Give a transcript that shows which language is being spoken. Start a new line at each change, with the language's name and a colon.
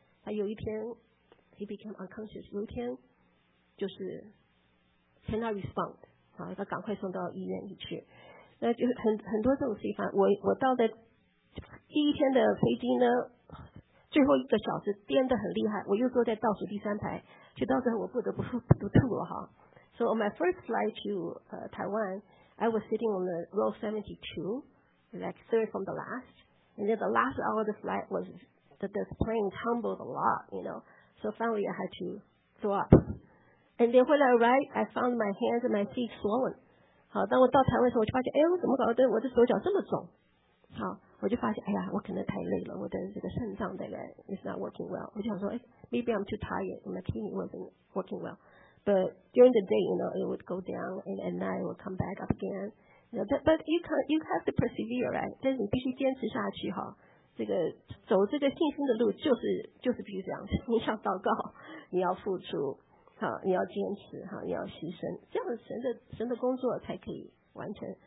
Chinese: 他有一天 ，
English: he became unconscious。
Chinese: 有一天，就是
English: cannot respond，
Chinese: 然后要赶快送到医院里去。那就很多这种地方，我到的第一天的飞机呢，最后一个小时颠得很厉害，我又坐在倒数第三排，就到时候我不得不吐了哈。
English: So on my first flight to Taiwan, I was sitting on the row 72, like third from the last. And then the last hour of the flight was that the plane tumbled a lot, you know. So finally I had to throw up. And then when I arrived, I found my hands and my feet swollen.
Chinese: 好，当我到台湾的时候，我就发现，哎，我怎么搞的？我的手脚这么肿？好，我就发现，哎呀，我可能太累了，我的这个肾脏这个
English: is not working well.
Chinese: 我就想说，哎
English: ，maybe I'm too tired, my kidney wasn't working well. But during the day, you know, it would go down, and at night it would come back up again. You know, but you have to persevere, right?
Chinese: 但是你必须坚持下去哈。这个走这个信心的路就是必须这样。你想祷告，你要付出，哈，你要坚持，哈，你要牺牲，这样神的工作才可以完成。